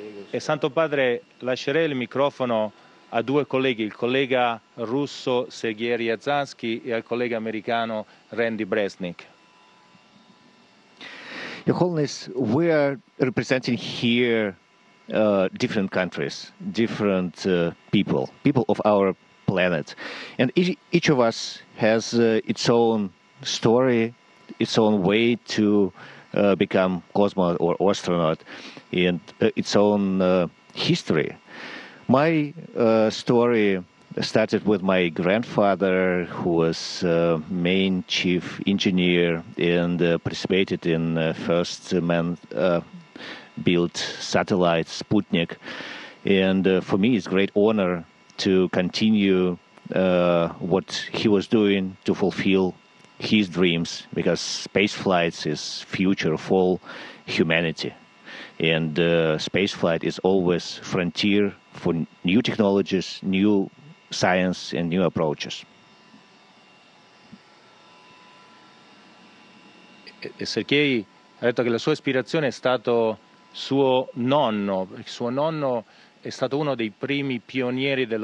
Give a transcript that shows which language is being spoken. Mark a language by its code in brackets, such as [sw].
[it] E Santo Padre, lascerei il microfono a due colleghi, il collega russo Sergei Ryazansky e il collega americano Randy Bresnik. [en] Your Holiness, we are representing here different countries, different people of our planet. And each of us has its own story, its own way to become cosmonaut or astronaut, and its own history. My story started with my grandfather, who was main chief engineer and participated in the first man-built satellite, Sputnik. And for me, it's a great honor to continue what he was doing to fulfill his dreams, because space flights is future of all humanity. And space flight is always frontier for new technologies, new science, and new approaches. [it] E Sergei ha detto che la sua ispirazione è stato suo nonno. Suo nonno è stato uno dei primi pionieri dello